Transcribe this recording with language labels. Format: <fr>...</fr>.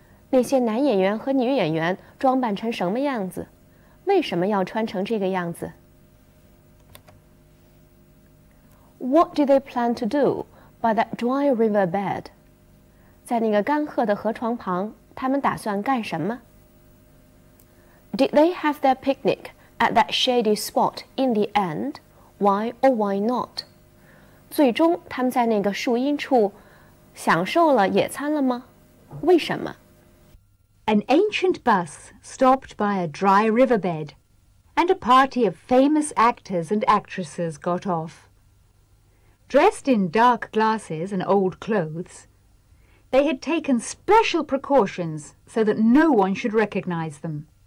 <zh>那些男演员和女演员装扮成什么样子？为什么要穿成这个样子？</zh> <en>What did they plan to do by that dry river bed?</en> <zh>在那个干涸的河床旁，他们打算干什么？</zh> <en>Did they have their picnic at that shady spot in the end? Why or why not?</en> <zh>最终他们在那个树荫处享受了野餐了吗？为什么？</zh> <en>An ancient bus stopped by a dry riverbed, and a party of famous actors and actresses got off. Dressed in dark glasses and old clothes, they had taken special precautions so that no one should recognize them.</en>